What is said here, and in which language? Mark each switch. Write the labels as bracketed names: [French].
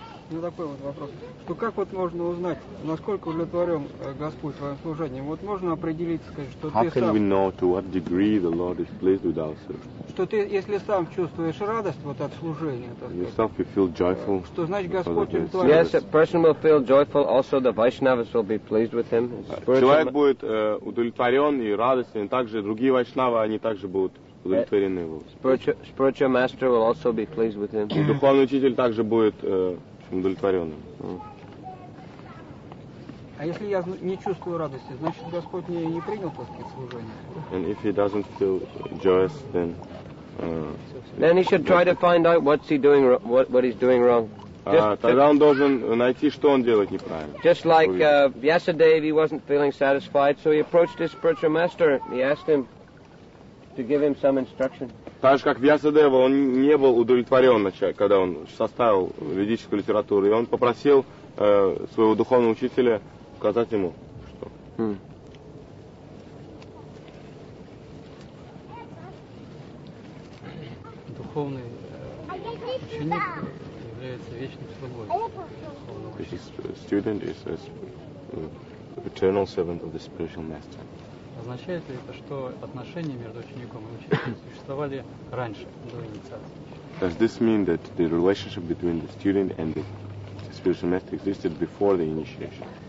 [Russian] Ну, такой вот вопрос. Что как вот можно узнать, насколько удовлетворен Господь своим служением? Вот можно определить, сказать, что [English] how [Russian] ты сам... [English] How can we know to what degree the Lord is pleased with our service? [Russian] Что ты, если сам чувствуешь радость вот от служения, так [English] yourself, you feel joyful, [Russian] что значит Господь удовлетворен? [English] Yes, a person will feel joyful, also the Vaishnavas will be pleased with him. [Russian] Человек будет удовлетворен и радостен, также другие Вайшнавы, они также будут... [English] Spiritual master will also be pleased with him. [Russian] Духовный учитель также будет удовлетворенным. А если я не чувствую радости, значит Господь мне не принял после служения. [English] And if he doesn't feel joyous, then then he should try to find out what's he doing, what he's doing wrong. [Russian] Тогда он должен найти, что он делает неправильно. [English] Just like Vyasadeva, he wasn't feeling satisfied, so he approached his spiritual master. He asked him to give him some instruction. [Russian] Так же, как Вьясадева, он не был удовлетворен, начать, когда он составил ведическую литературу, и он попросил своего духовного учителя указать ему, что. Духовный ученик является вечным слугой. [English] This student is an eternal servant of the spiritual master. [Russian] Означает ли это, что отношения между учеником и учителем существовали раньше, до инициации? [English] Does this mean that the relationship between the student and the spiritual master existed before the initiation?